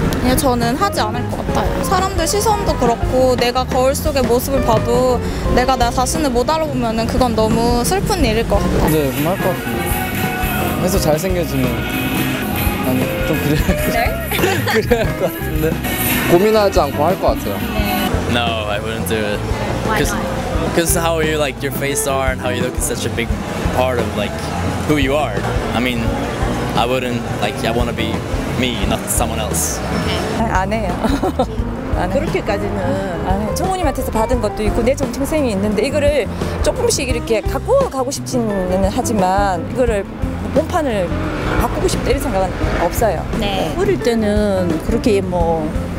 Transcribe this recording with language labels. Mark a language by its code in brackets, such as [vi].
[ko] 그냥 저는 하지 않을 것 같아요. 사람들 시선도 그렇고 내가 거울 속의 모습을 봐도 내가 나 자신을 못 알아보면 그건 너무 슬픈 일일 것 같아요. 네, 뭐 할 것 같아요. 해서 잘생겨지면 아니, 좀 그래야 할 것 같은데. 네? 그래야 할 것 같은데. 고민하지 않고 할 것 같아요. [en] No, I wouldn't do it. Because how you like your face are and how you look is such a big part of like who you are. I mean, I wouldn't like. I want to be me, not someone else. [ko] Okay. 안 해요. 안 그렇게까지는 안 해요. 청우님한테서 받은 것도 있고 내 정체성이 있는데 이거를 조금씩 이렇게 갖고 가고 싶지는 하지만 이거를 본판을 바꾸고 싶다 이런 생각은 없어요. 네. 어릴 때는 그렇게 뭐.